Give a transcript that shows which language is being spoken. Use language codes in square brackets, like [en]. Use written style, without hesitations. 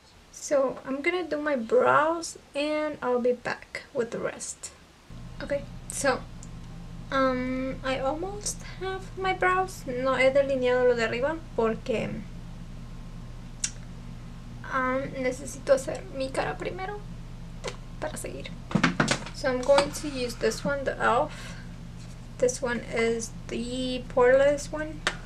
[en] So I'm gonna do my brows and I'll be back with the rest. Okay, so I almost have my brows. [es] No he delineado lo de arriba porque necesito hacer mi cara primero para seguir. [en] So I'm going to use this one, the e.l.f. This one is the poreless one.